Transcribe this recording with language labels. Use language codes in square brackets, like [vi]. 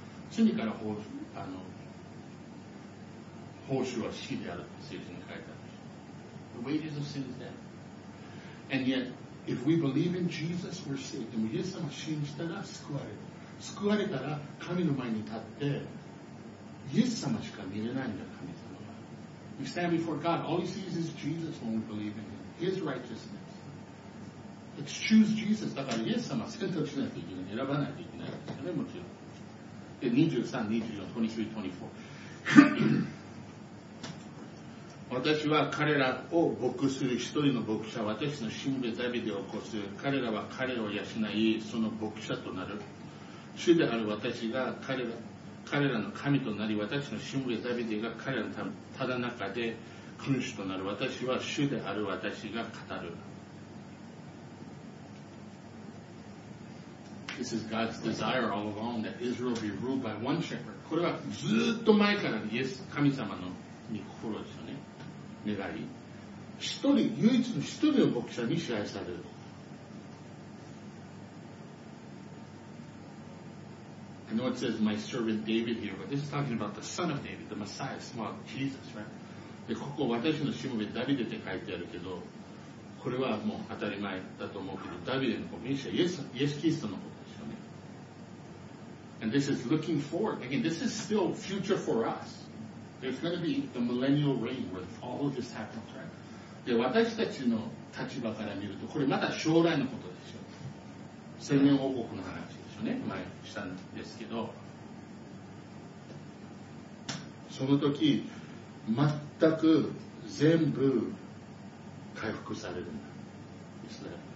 [ja] 罪から報酬は死であるって聖書に書いてある。 [en] The wages of sin is death. And yet, if we believe in Jesus, we're saved. [ja] でもイエス様を信じたら救われる。救われたら神の前に立って、イエス様しか見れないんだ、神様は。 [en] We stand before God. All he sees is Jesus when we believe in him. His righteousness. Let's choose Jesus. [ja] だからイエス様は選択しないといけない。選ばないといけないですよね、もちろん。で、23、24、23、24。私は彼らを牧する一人の牧者、私のしもべダビデを起こす。彼らは彼を養い、その牧者となる。主である私が彼らの神となり、私のしもべダビデが彼らのただ中で君主となる。私は主である私が語る。 [en] This is God's desire all along that Israel be ruled by one shepherd. [ja] これはずっと前からイエス神様の御心ですよね。願い。唯一の一人の牧者に支配される。 [en] I know it says my servant David here, but this is talking about the son of David, the Messiah, small Jesus, right? [ja] で、ここ私のしもべダビデって書いてあるけど、これはもう当たり前だと思うけど、ダビデのことにしてイエスキリストのことですよね。 [en] And this is looking forward. Again, this is still future for us. There's going to be the millennial reign where all of this happens, right? [ja] で、私たちの立場から見ると、これまた将来のことですよ。千年王国の話。前したんですけど、その時全く全部回復されるんですね。